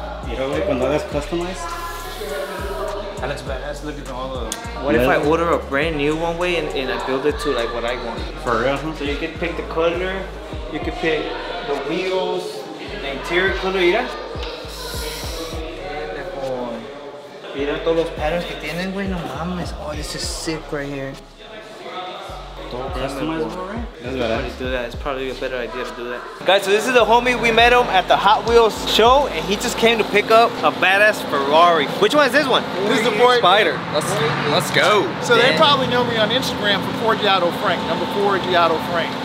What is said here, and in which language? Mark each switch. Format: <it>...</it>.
<en>You know, when that's customized? That looks badass, look at all the... What if I order a brand new one way and I build it to like what I want? For real? So you can pick the color, you can pick the wheels, the interior color,</en> <es>mira. Mira todos los patterns que tienen, güey, no mames.</es> <en>Oh, this is sick right here. It's probably a better idea to do that. Guys, so this is the homie. We met him at the Hot Wheels show and he just came to pick up a badass Ferrari. Which one is this one? This is the Ford Spider. Let's go. So they probably know me on Instagram for Ford Giotto Frank, number 4 Giotto Frank.</en>